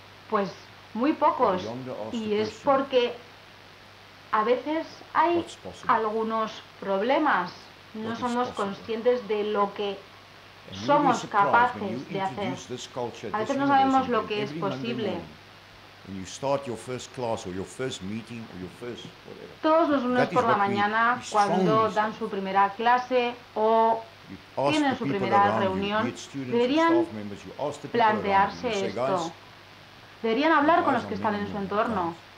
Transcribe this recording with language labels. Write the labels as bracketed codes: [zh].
[es] Pues muy pocos. Y es porque a veces hay algunos problemas. No somos conscientes de lo que somos capaces de hacer. A veces no sabemos lo que es posible. [en] When you start your first class or your first meeting or your first whatever. [es] Todos los lunes por la mañana cuando dan su primera clase o tienen su primera reunión, deberían plantearse esto. Deberían hablar con los que están en su entorno.